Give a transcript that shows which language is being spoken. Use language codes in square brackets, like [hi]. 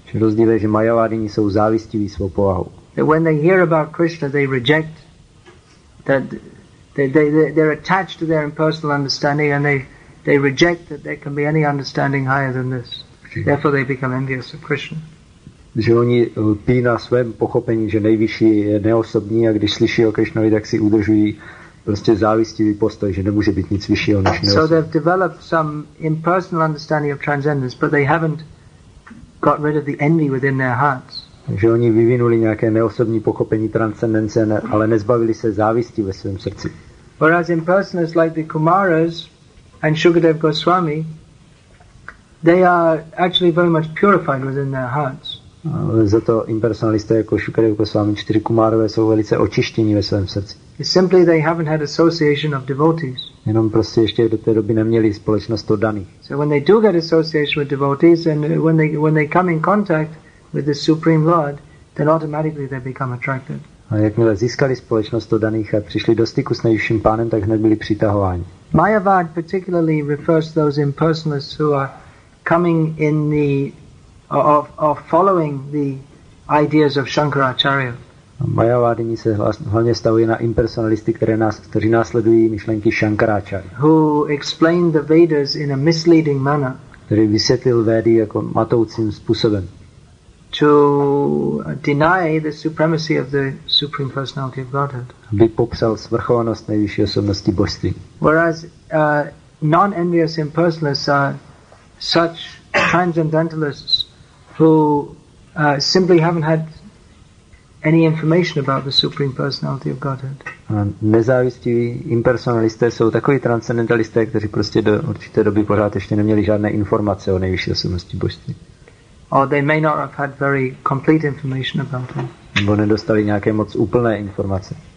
[cs] Rozdíl je, že Mayavadini jsou závistiví svou povahou. [en] When they hear about Krishna, they reject that they're attached to their impersonal understanding and they reject that there can be any understanding higher than this. Therefore they become envious of Krishna. [cs] Že oni lpí na svém pochopení, že nejvyšší je neosobní, a když slyší o Krišnovi, tak si udržují prostě závistivý postoj, že nemůže být nic vyššího než neosobní. [en] So they've developed some impersonal understanding of transcendence, but they haven't got rid of the envy within their hearts. [cs] Že oni vyvinuli nějaké neosobní pochopení transcendence, ale nezbavili se závisti ve svém srdci. [en] Whereas impersonalists like the Kumaras and Shukadev Goswami, they are actually very much purified within their hearts. [cs] Za to impersonalisté jako Shukadev Goswami, čtyři Kumárové, jsou velice očištění ve svém srdci. [en] Simply they haven't had association of devotees. [cs] Jenom prostě ještě do té doby neměli společnost oddaných. [en] So when they do get association with devotees and when they come in contact with the Supreme Lord, then automatically they become attracted. [cs] A jakmile získali společnost oddaných a přišli do styku s nejvyšším pánem, tak hned byli přitahováni. [en] Mayavad particularly refers to those impersonalists who are coming in the of following the ideas of Shankaracharya. [cs] Mayavadini se hlavně stavují na impersonalisty, kteří následují myšlenky Shankaracharya. [en] Who explained the Vedas in a misleading manner. [cs] Který vysvětlil Védy jako matoucím způsobem. [en] To deny the supremacy of the Supreme Personality of Godhead. [cs] Aby popřel svrchovanost nejvyšší osobnosti božství. [en] Whereas non-envious impersonalists are such transcendentalists who simply haven't had any information about the Supreme Personality of Godhead. [cs] Nezávistiví impersonalisté jsou takoví transcendentalisté, kteří prostě do určité doby pořád ještě neměli žádné informace o nejvyšší osobnosti božství. [en] Or they may not have had very complete information about him. [cs] Nebo nedostali nějaké moc úplné informace.